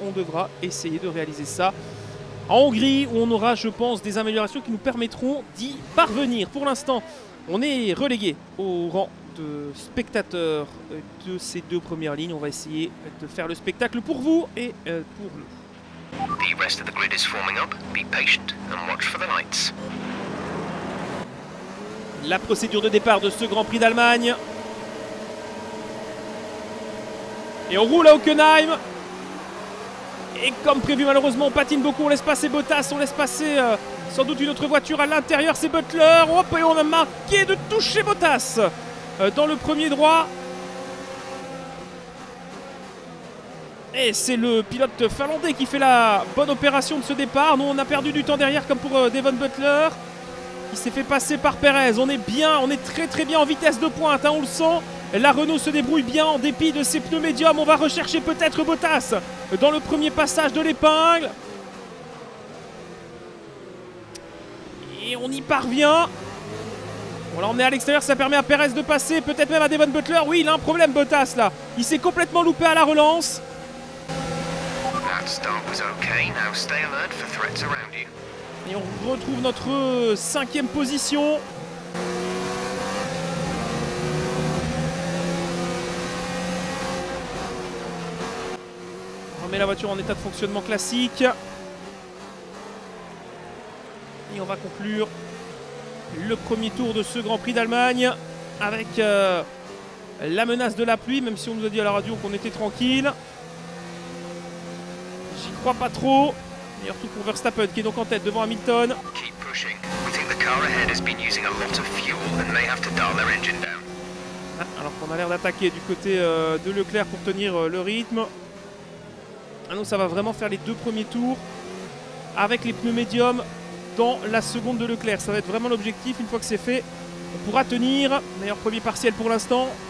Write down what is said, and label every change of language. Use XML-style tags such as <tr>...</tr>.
<fr>On devra essayer de réaliser ça en Hongrie, où on aura, je pense, des améliorations qui nous permettront d'y parvenir. Pour l'instant, on est relégué au rang de spectateur de ces deux premières lignes. On va essayer de faire le spectacle pour vous et pour nous.</fr> <en>The rest of the grid is forming up. Be patient and watch for the lights.</en> <fr>La procédure de départ de ce Grand Prix d'Allemagne. Et on roule à Hockenheim. Et comme prévu, malheureusement, on patine beaucoup, on laisse passer Bottas, on laisse passer sans doute une autre voiture à l'intérieur, c'est Butler. Hop, et on a marqué de toucher Bottas dans le premier droit. Et c'est le pilote finlandais qui fait la bonne opération de ce départ. Nous, on a perdu du temps derrière, comme pour Devon Butler. Il s'est fait passer par Perez. On est bien, on est très très bien en vitesse de pointe, hein, on le sent. La Renault se débrouille bien en dépit de ses pneus médiums. On va rechercher peut-être Bottas dans le premier passage de l'épingle. Et on y parvient. On l'a emmené à l'extérieur, ça permet à Perez de passer, peut-être même à Devon Butler. Oui, il a un problème Bottas là. Il s'est complètement loupé à la relance.</fr> <en>That start was okay. Now stay alert for threats around you.</en> <fr>Et on retrouve notre cinquième position. On met la voiture en état de fonctionnement classique. Et on va conclure le premier tour de ce Grand Prix d'Allemagne avec la menace de la pluie, même si on nous a dit à la radio qu'on était tranquille. J'y crois pas trop. D'ailleurs, tout pour Verstappen qui est donc en tête devant Hamilton.</fr> <en>Keep pushing. We think the car ahead has been using a lot of fuel and may have to dial their engine down.</en> <fr>Alors qu'on a l'air d'attaquer du côté de Leclerc pour tenir le rythme. Ah non, ça va vraiment faire les deux premiers tours avec les pneus médiums dans la seconde de Leclerc. Ça va être vraiment l'objectif. Une fois que c'est fait, on pourra tenir. Meilleur premier partiel pour l'instant.</fr>